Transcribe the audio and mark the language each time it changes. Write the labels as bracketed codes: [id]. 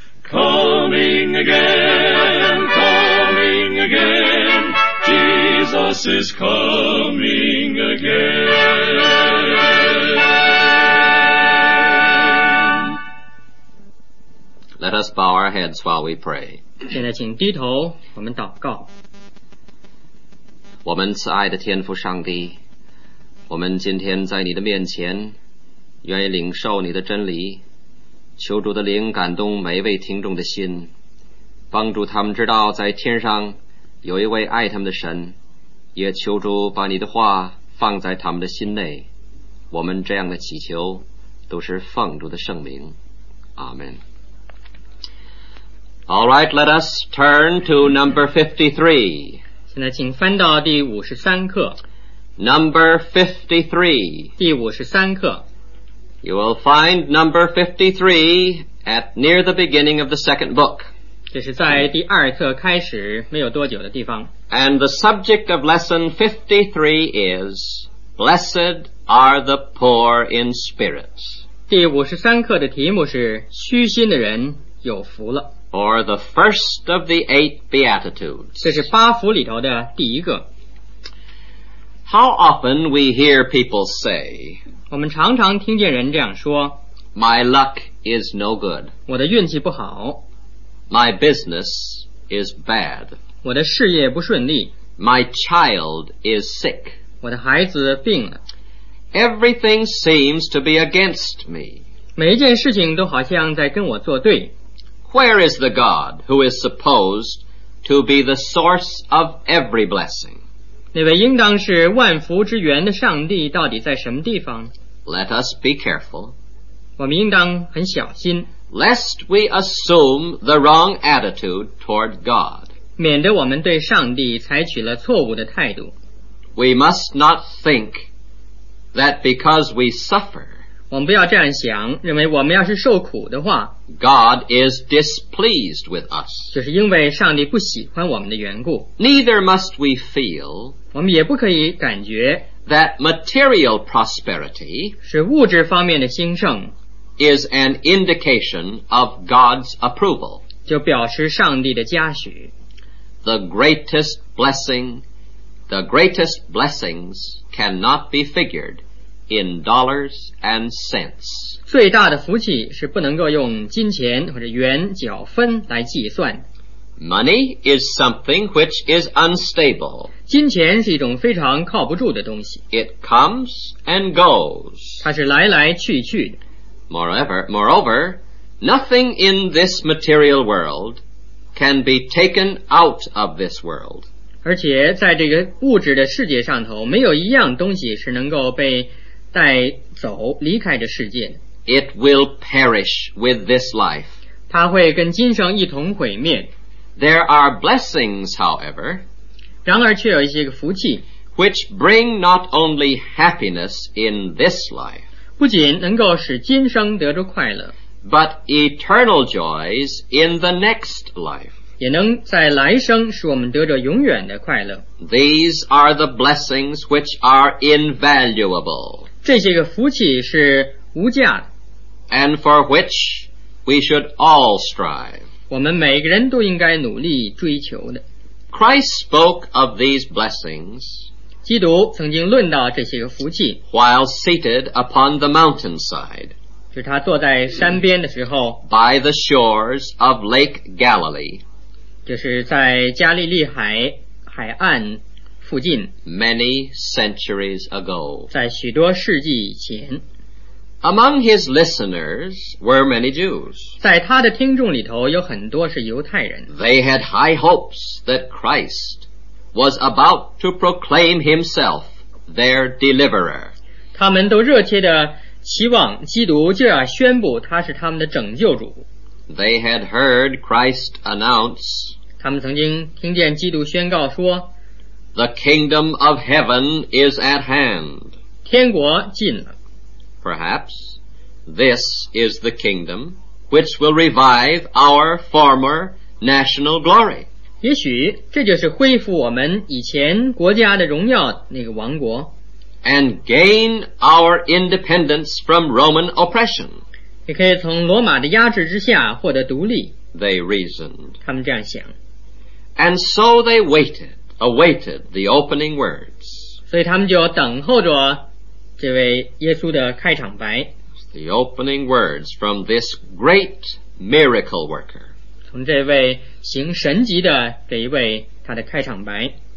[en] Coming again, coming again, Jesus is coming again. Let us bow our heads while we pray. [zh] 现在请低头，我们祷告。我们慈爱的天父上帝，我们今天在你的面前愿意领受你的真理，求主的灵感动每一位听众的心，帮助他们知道在天上有一位爱他们的神，也求主把你的话放在他们的心内。我们这样的祈求都是奉主的圣名，阿们。 [en] Alright, let us turn to number 53. [zh] 现在请翻到第53课。 [en] Number 53. [zh] 第53课。 [en] You will find number 53 at near the beginning of the second book. [zh] 这是在第二册开始没有多久的地方。 [en] And the subject of lesson 53 is, Blessed are the poor in spirit. [zh] 第53课的题目是虚心的人有福了。 [en] Or the first of the eight Beatitudes. [zh] 这是八福里头的第一个。 [en] How often we hear people say, [zh] 我们常常听见人这样说， [en] My luck is no good. [zh] 我的运气不好。 [en] My business is bad. [zh] 我的事业不顺利。 [en] My child is sick. [zh] 我的孩子病了。 [en] Everything seems to be against me. [zh] 每一件事情都好像在跟我作对。 [en] Where is the God who is supposed to be the source of every blessing? [zh] 那位应当是万福之源的上帝到底在什么地方？ [en] Let us be careful. [zh] 我们应当很小心。 [en] Lest we assume the wrong attitude toward God. [zh] 免得我们对上帝采取了错误的态度。 [en] We must not think that because we suffer, [zh] 我们不要这样想，认为我们要是受苦的话， [en] God is displeased with us. [zh] 就是因为上帝不喜欢我们的缘故。 [en] Neither must we feel, [zh] 我们也不可以感觉， [en] that material prosperity, [zh] 是物质方面的兴盛， [en] is an indication of God's approval. [zh] 就表示上帝的嘉许。 [en] The greatest blessings cannot be figured. In dollars and cents. [zh] 最大的福气是不能够用金钱或者元角分来计算。 [en] Money is something which is unstable. [zh] 金钱是一种非常靠不住的东西。 [en] It comes and goes. [zh] 它是来来去去的。 [en] Moreover, nothing in this material world can be taken out of this world. [zh] 而且在这个物质的世界上头，没有一样东西是能够被带走离开这世界。 [en] It will perish with this life. [zh] 它会跟今生一同毁灭。 [en] There are blessings, however, [zh] 然而却有一些个福气， [en] which bring not only happiness in this life, [zh] 不仅能够使今生得着快乐， [en] but eternal joys in the next life, [zh] 也能在来生使我们得着永远的快乐。 [en] These are the blessings which are invaluable. [zh] 这些个福气是无价的。 [en] And for which we should all strive. [zh] 我们每个人都应该努力追求的。 [en] Christ spoke of these blessings. [zh] 基督曾经论到这些个福气。 [en] While seated upon the mountainside. [zh] 就是他坐在山边的时候。 [en] By the shores of Lake Galilee. [zh] 就是在加利利海海岸。 [en] Many centuries ago. [zh] 在许多世纪以前。 [en] Among his listeners were many Jews. [zh] 在他的听众里头有很多是犹太人。 [en] They had high hopes that Christ was about to proclaim himself their deliverer. [zh] 他们都热切地希望基督就要宣布他是他们的拯救主。 [en] They had heard Christ announce, [zh] 他们曾经听见基督宣告说 [en] The kingdom of heaven is at hand. [zh] 天国近了。 [en] Perhaps this is the kingdom which will revive our former national glory. [zh] 也许这就是恢复我们以前国家的荣耀那个王国。 [en] And gain our independence from Roman oppression. [zh] 也可以从罗马的压制之下获得独立。 [en] They reasoned. [zh] 他们这样想。 [en] And so they waited, awaited the opening words. [zh] 所以他们就等候着这位耶稣的开场白。 [en] The opening words from this great miracle worker. [zh] 从这位行神迹的这一位他的开场白。